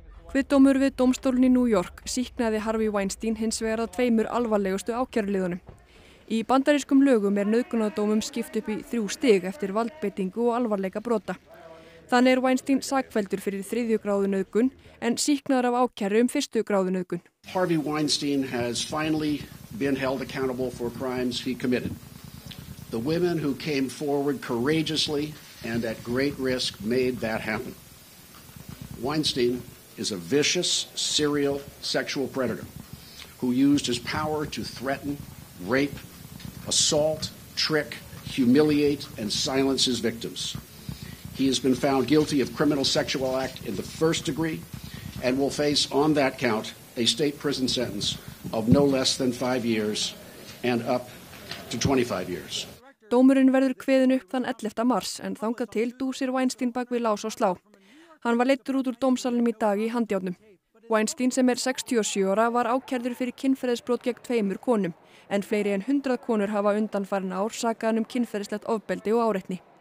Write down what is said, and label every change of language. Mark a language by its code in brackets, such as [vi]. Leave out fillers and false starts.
[is] Kviðdómur við dómstólinn í New York sýknaði Harvey Weinstein hins vegar að tveimur alvarlegustu ákæruliðunum. Í bandarískum lögum er nauðgunardómum skipt upp í þrjú stig eftir valdbeitingu og alvarleika brota. Þannig er Weinstein sakfelldur fyrir þriðju gráðu nauðgun en sýknaður af ákæru fyrstu gráðu nauðgun. [en] Harvey Weinstein has finally been held accountable for crimes he committed. The women who came forward courageously and at great risk made that happen. Weinstein is a vicious serial sexual predator who used his power to threaten, rape, assault, trick, humiliate and silence his victims. He has been found guilty of criminal sexual act in the first degree and will face on that count a state prison sentence of no less than 5 years and up to 25 years. [is] Dómurinn verður kveðin upp þann 11. mars en þangað til dúsir Weinstein bak við lás og slá. Hann var leiddur út úr dómsalnum í dag í handjárnum. Weinstein sem 67 ára var ákærður fyrir kynferðisbrot gegn tveimur konum en fleiri en 100 konur hafa undanfarin ár sakaðan kynferðislegt ofbeldi og áreitni.